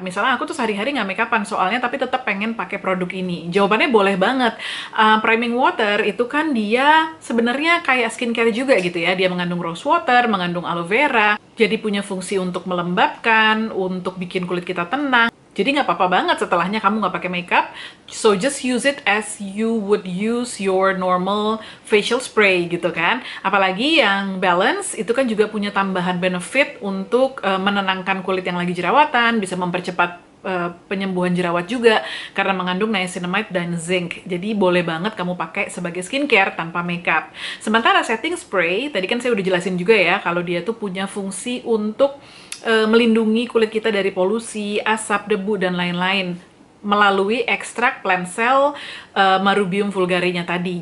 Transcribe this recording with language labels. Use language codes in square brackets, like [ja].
[id] Misalnya aku tuh sehari-hari nggak makeupan soalnya, tapi tetap pengen pakai produk ini. Jawabannya boleh banget. Priming water itu kan dia sebenarnya kayak skincare juga gitu ya. Dia mengandung rose water, mengandung aloe vera, jadi punya fungsi untuk melembabkan, untuk bikin kulit kita tenang. Jadi nggak apa-apa banget setelahnya kamu nggak pakai makeup. [en] So just use it as you would use your normal facial spray gitu kan. [id] Apalagi yang balance itu kan juga punya tambahan benefit untuk menenangkan kulit yang lagi jerawatan, bisa mempercepat penyembuhan jerawat juga karena mengandung niacinamide dan zinc. Jadi boleh banget kamu pakai sebagai skincare tanpa makeup. Sementara setting spray, tadi kan saya udah jelasin juga ya, kalau dia tuh punya fungsi untuk melindungi kulit kita dari polusi, asap, debu, dan lain-lain melalui ekstrak plant cell marubium vulgarinya tadi.